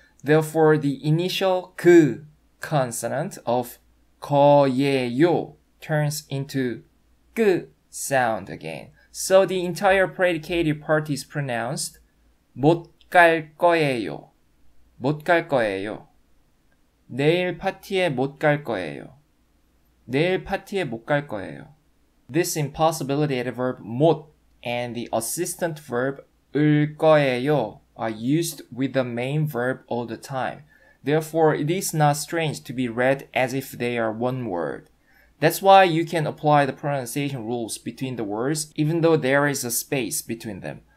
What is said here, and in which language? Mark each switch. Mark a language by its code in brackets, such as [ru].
[en] Therefore, the initial G consonant of 거예요 turns into G sound again. So the entire predicative part is pronounced 못 갈 거예요. [ko] 못 갈 거예요. 내일 파티에 못 갈 거예요. 내일 파티에 못 갈 거예요. [en] This impossibility adverb 못 and the assistant verb 을 거예요 are used with the main verb all the time. Therefore, it is not strange to be read as if they are one word. That's why you can apply the pronunciation rules between the words even though there is a space between them.